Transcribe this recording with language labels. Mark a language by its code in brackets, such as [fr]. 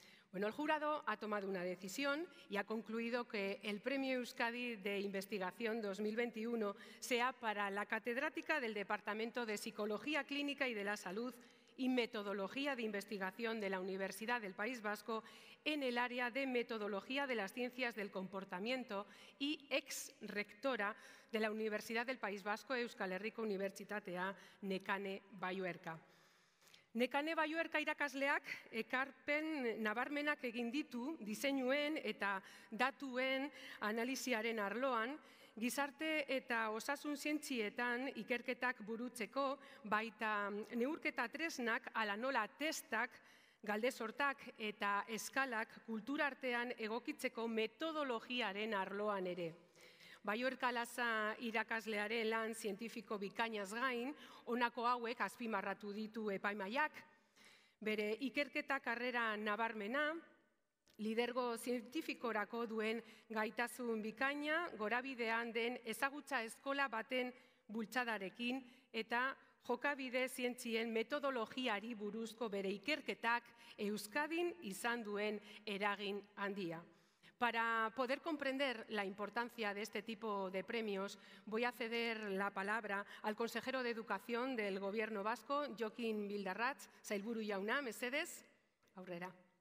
[es] Bueno, el jurado ha tomado una decisión y ha concluido que el Premio Euskadi de Investigación 2021 sea para la catedrática del Departamento de Psicología Clínica y de la Salud y Metodología de Investigación de la Universidad del País Vasco en el área de Metodología de las Ciencias del Comportamiento y ex-rectora de la Universidad del País Vasco Euskal Herriko Unibertsitatea Nekane Baiuerka. [eu] Nekane Baiuerka irakasleak ekarpen nabarmenak egin ditu diseinuen eta datuen analisiaren arloan, gizarte eta osasun zientzietan ikerketak burutzeko, baita neurketa tresnak ala nola testak, galdezortak eta eskalak kultura artean egokitzeko metodologiaren arloan ere. Baiuerka Lasa irakaslearen lan zientifiko bikainaz gain, honako hauek azpimarratu ditu epaimaiak, bere ikerketa karrera nabarmena, lidergo zientifikorako duen gaitasun bikaina, gorabidean den ezagutza eskola baten bultzadarekin eta jokabide zientzien metodologiari buruzko bere ikerketak Euskadin izan duen eragin handia. [es] Para poder comprender la importancia de este tipo de premios, voy a ceder la palabra al consejero de Educación del Gobierno Vasco, Jokin Bildarratz, [eu] sailburu jauna, mesedez, aurrera.